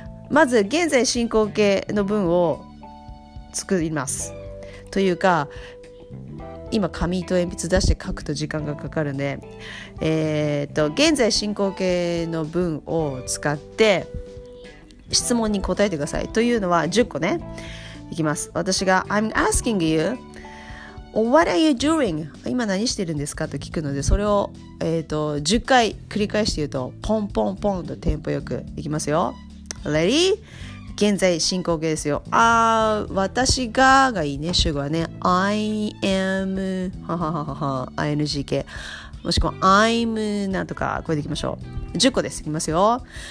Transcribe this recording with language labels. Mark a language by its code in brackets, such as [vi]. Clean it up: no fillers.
[ja] まず現在進行形の文を作ります。というか、今紙と鉛筆出して書くと時間がかかるんで、現在進行形の文を使って質問に答えてください。というのは10個ね、いきます。私が [en] I'm asking you What are you doing? [ja] 今何してるんですかと聞くので、それを、10回繰り返して言うと、ポンポンポンとテンポよくいきますよ。 [en] Ready? [ja] 現在進行形ですよ。あ、私ががいいね、主語はね、 I am ING もしくは I'm なんとか、これでいきましょう。10個です、いきますよ。